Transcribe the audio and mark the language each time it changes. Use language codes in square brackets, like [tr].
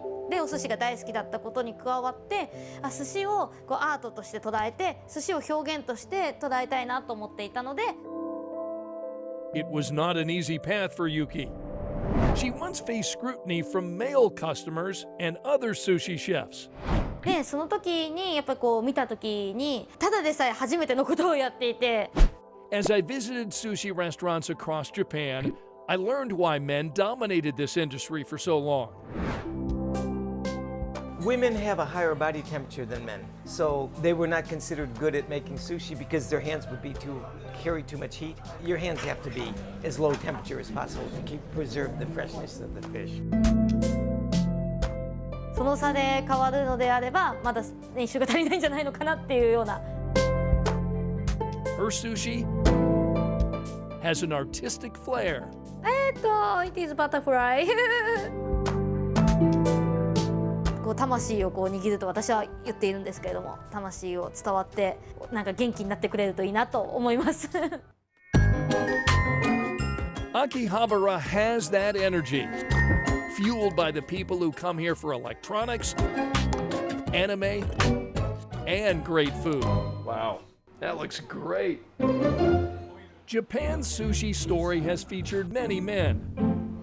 [ja] で、お寿司が大好きだったことに加わって、あ、寿司をこうアートとして捉えて、寿司を表現として捉えたいなと思っていたので。 [en] It was not an easy path for Yuki. She once faced scrutiny from male customers and other sushi chefs. [ja] で、その時にやっぱこう見た時に、ただでさえ初めてのことをやっていて。 [en] As I visited sushi restaurants across Japan, I learned why men dominated this industry for so long. Women have a higher body temperature than men, so they were not considered good at making sushi because their hands would be too carry too much heat. Your hands have to be as low temperature as possible to keep preserve the freshness of the fish. [ja] その差で変わるのであれば、まだ練習が足りないんじゃないのかなっていうような。 [en] Her sushi has an artistic flair. It is butterfly. [ja] 魂をこう握ると私は言っているんですけれども、魂を伝わってなんか元気になってくれるといいなと思います。 [en] Akihabara has that energy, fueled by the people who come here for electronics, anime, and great food. Wow, that looks great. Japan's sushi story has featured many men.